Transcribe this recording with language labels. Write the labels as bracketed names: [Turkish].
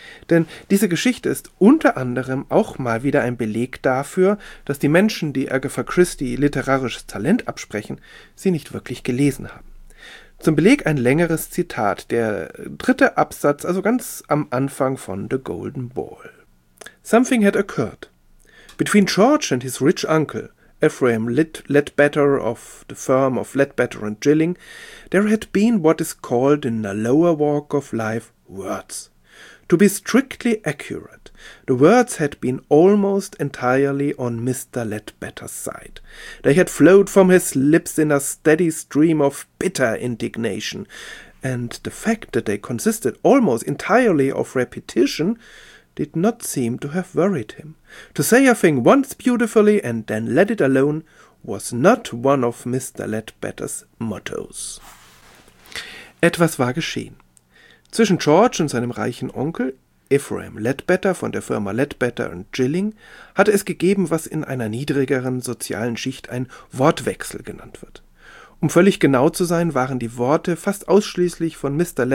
[German] Denn diese Geschichte ist unter anderem auch mal wieder ein Beleg dafür, dass die Menschen, die Agatha Christie literarisches Talent absprechen, sie nicht wirklich gelesen haben. Zum Beleg ein längeres Zitat, der dritte Absatz, also ganz am Anfang von The Golden Ball. [English] Something had occurred. Between George and his rich uncle, Ephraim Ledbetter of the firm of Ledbetter and Gilling, there had been what is called in the lower walk of life words. To be strictly accurate, the words had been almost entirely on Mr. Ledbetter's side. They had flowed from his lips in a steady stream of bitter indignation, and the fact that they consisted almost entirely of repetition did not seem to have worried him. To say a thing once beautifully and then let it alone was not one of Mr. Ledbetter's mottos. [German] Etwas war geschehen. Zwischen George und seinem reichen Onkel, Ephraim Ledbetter von der Firma Ledbetter und Gilling, hatte es gegeben, was in einer niedrigeren sozialen Schicht ein Wortwechsel genannt wird. Um völlig genau zu sein, waren die Worte fast ausschließlich von Mr.